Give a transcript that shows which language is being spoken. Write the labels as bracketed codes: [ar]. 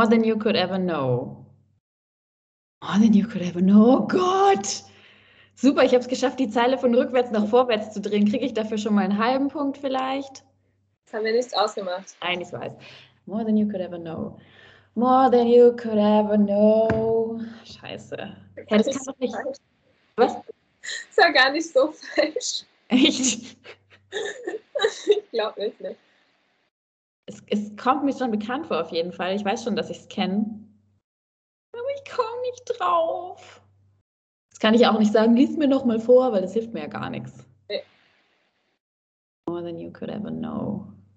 [en] More than you could ever know. More than you could ever know. [de] Oh Gott. Super, ich habe es geschafft, die Zeile von rückwärts nach vorwärts zu drehen. Kriege ich dafür schon mal einen halben Punkt vielleicht? Das haben wir nicht ausgemacht. Nein, ich weiß. [en] More than you could ever know. More than you could ever know. [de] Scheiße. Ja, das kann doch nicht. Was? Das war gar nicht so falsch. Echt? Ich glaube nicht. Es kommt mir schon bekannt vor, auf jeden Fall. Ich weiß schon, dass ich es kenne. Aber ich komme nicht drauf. Das kann ich auch nicht sagen, lies mir noch mal vor, weil das hilft mir ja gar nichts. Nee. [en] More than you could ever know.